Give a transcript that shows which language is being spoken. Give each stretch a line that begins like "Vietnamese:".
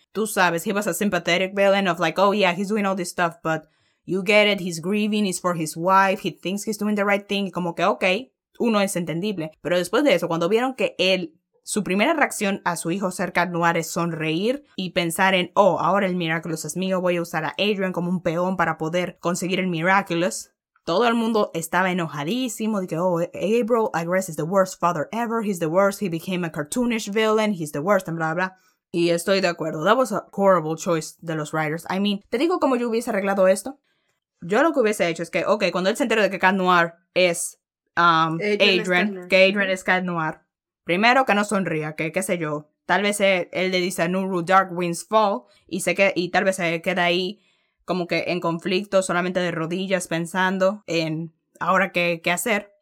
Spanish: Tú sabes,
English: he was a sympathetic villain of like, oh yeah, he's doing all this stuff, but you get it, he's grieving, he's for his wife, he thinks he's doing the right thing.
Spanish: Como que, okay, uno es entendible. Pero después de eso, cuando vieron que él su primera reacción a su hijo cerca de Noir es sonreír y pensar en, oh, ahora el Miraculous es mío, voy a usar a Adrian como un peón para poder conseguir el Miraculous. Todo el mundo estaba enojadísimo de que,
English: oh, April, I guess, is the worst father ever, he's the worst, he became a cartoonish villain, he's the worst, and bla, bla.
Spanish: Y estoy de acuerdo,
English: that was a horrible choice
Spanish: de los writers.
English: I mean,
Spanish: ¿te digo cómo yo hubiese arreglado esto? Yo lo que hubiese hecho es que, ok, cuando él se entera de que Cat Noir es Adrian, que Adrian es Cat Noir, primero que no sonría, que qué sé yo, tal vez él le dice a Nuru, Dark Winds Fall, y sé que, y tal vez se queda ahí como que en conflicto, solamente de rodillas, pensando en ahora qué hacer.